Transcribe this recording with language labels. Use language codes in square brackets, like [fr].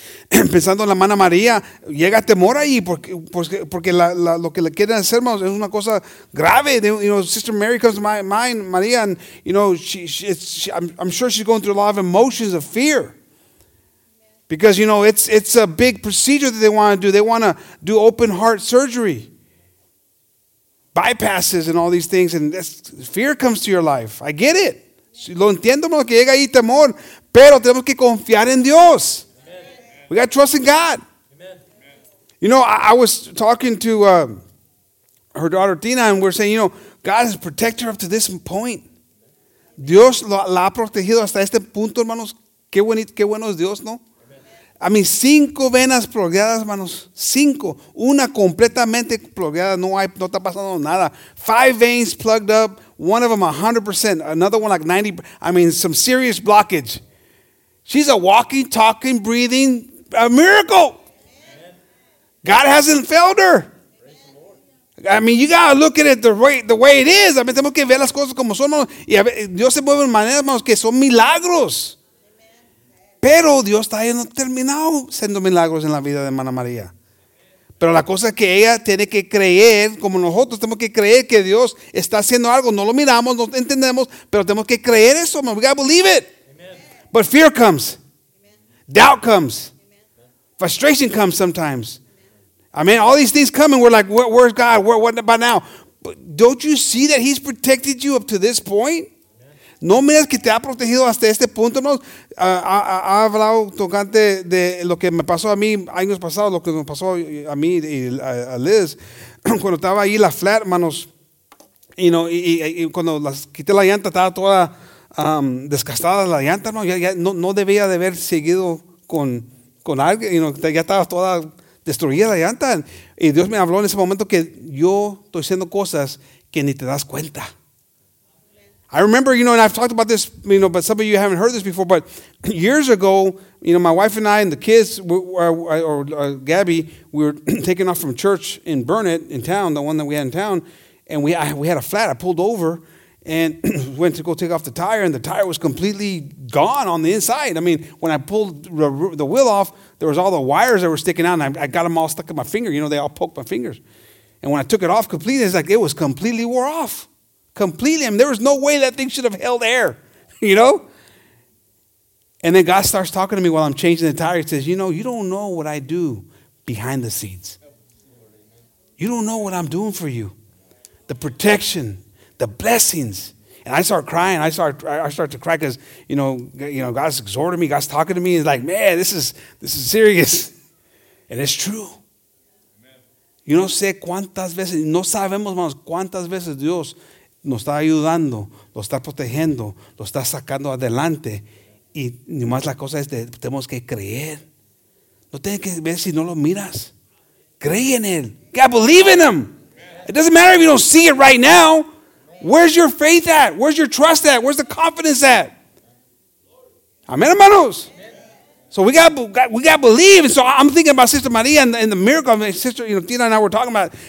[es] Pensando en la hermana María, llega temor ahí porque lo que le quieren hacer, hermanos, es una cosa grave. [en] You know, Sister Mary comes to my mind, María, and you know, I'm sure she's going through a lot of emotions of fear. Because, you know, it's a big procedure that they want to do. They want to do open heart surgery, bypasses and all these things, and fear comes to your life. I get it. [es] Lo entiendo, que llega ahí temor, pero tenemos que confiar en Dios. [en] We got to trust in God. Amen. You know, I was talking to her daughter Tina, and we're saying, you know, God has protected her up to this point. [es] Dios la ha protegido hasta este punto, hermanos. Qué bueno es Dios, ¿no? [en] I mean, [es] 5 venas plugadas, hermanos. 5. Una completamente plugada. No está pasando nada. [en] 5 veins plugged up. One of them 100%. Another one like 90%. I mean, some serious blockage. She's a walking, talking, breathing, a miracle. Amen. God hasn't failed her. I mean, you got to look at it the way it is. I mean, [es] tenemos que ver las cosas como son. Y Dios se mueve de maneras, hermanos, que son milagros. Pero Dios todavía no ha terminado siendo milagros en la vida de hermana María. Pero la cosa es que ella tiene que creer, como nosotros tenemos que creer que Dios está haciendo algo. No lo miramos, no entendemos, pero tenemos que creer eso. [en] We got to believe it. But fear comes. Amen. Doubt comes. Amen. Frustration comes sometimes. Amen. I mean, all these things come and we're like, where's God? What about now? But don't you see that he's protected you up to this point? [es] Amen. No miras que te ha protegido hasta este punto. No, ha hablado tocante de lo que me pasó a mí años pasados, lo que me pasó a mí y a Liz. Cuando estaba ahí la flat, manos, [en] you know, [es] y cuando las quité la llanta, estaba toda... desgastada la llanta, ¿no? Ya no debía de haber seguido con alguien, [en] you know, [es] ya estaba toda destruida la llanta. Y Dios me habló en ese momento que yo estoy haciendo cosas que ni te das cuenta. [en] I remember, you know, and I've talked about this, you know, but some of you haven't heard this before, but years ago, you know, my wife and I and the kids, Gabby, we were taken off from church in Burnett, in town, the one that we had in town, and we had a flat. I pulled over and went to go take off the tire, and the tire was completely gone on the inside. I mean, when I pulled the wheel off, there was all the wires that were sticking out, and I got them all stuck in my finger. You know, they all poked my fingers. And when I took it off completely, it's like it was completely wore off. Completely. I mean, there was no way that thing should have held air, you know? And then God starts talking to me while I'm changing the tire. He says, you know, you don't know what I do behind the scenes. You don't know what I'm doing for you. The protection. The blessings. And I start crying. I start to cry because, you know, God's exhorting me. God's talking to me. He's like, man, this is serious. And it's true. [es] Amen. Yo no sé cuántas veces, no sabemos más cuántas veces Dios nos está ayudando, lo está protegiendo, lo está sacando adelante. Y nomás la cosa es que tenemos que creer. No tienes que ver si no lo miras. Cree en Él. [en] You gotta believe in Him. It doesn't matter if you don't see it right now. Where's your faith at? Where's your trust at? Where's the confidence at? Amen, hermanos. So we got to believe. And so I'm thinking about Sister Maria and the miracle. My sister, you know, Tina and I were talking about it.